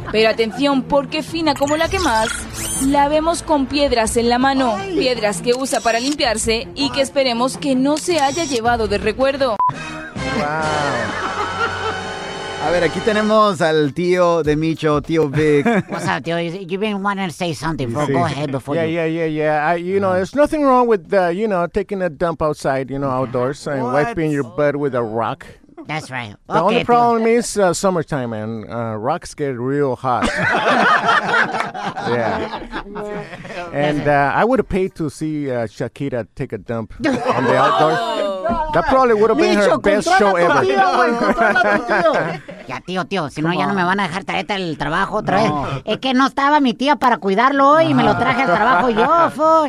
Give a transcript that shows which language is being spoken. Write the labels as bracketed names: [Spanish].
[Spanish] Pero atención, porque fina como la que más, la vemos con piedras en la mano. Piedras que usa para limpiarse y que esperemos que no se haya llevado de recuerdo. [English] Wow. [Spanish] A ver, aquí tenemos al tío de Micho, tío Vic. [English] What's up, tío? You've been wanting to say something, bro. Sí. Go ahead before yeah, you... Yeah, yeah, yeah, yeah. You know, there's nothing wrong with, you know, taking a dump outside, you know, outdoors and wiping your butt with a rock. That's right. The okay, only problem tío. Is summertime, man. Rocks get real hot. Yeah. And I would have paid to see Shakira take a dump on the outdoors. That probably would have been her best show ever. [Spanish] Ya, tío, si no, ya no me van a dejar tarjeta del trabajo otra vez. Es que no estaba mi tía para cuidarlo hoy y me lo traje al trabajo yo.